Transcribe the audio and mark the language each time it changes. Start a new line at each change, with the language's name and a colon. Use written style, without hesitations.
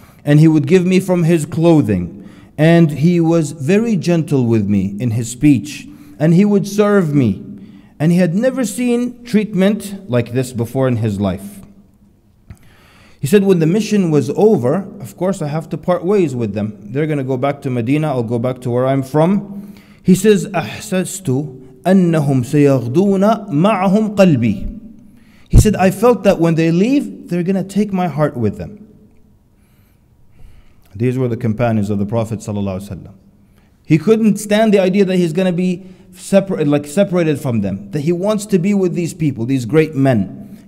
English: And he would give me from his clothing. And he was very gentle with me in his speech. And he would serve me. And he had never seen treatment like this before in his life. He said, when the mission was over, of course I have to part ways with them. They're going to go back to Medina. I'll go back to where I'm from. He says,
Arabic: أَحْسَسْتُ أَنَّهُمْ سَيَغْدُونَ مَعَهُمْ قَلْبِي.
English: He said, I felt that when they leave, they're going to take my heart with them. These were the companions of the Prophet ﷺ. He couldn't stand the idea that he's going to be separated from them, that he wants to be with these people, these great men.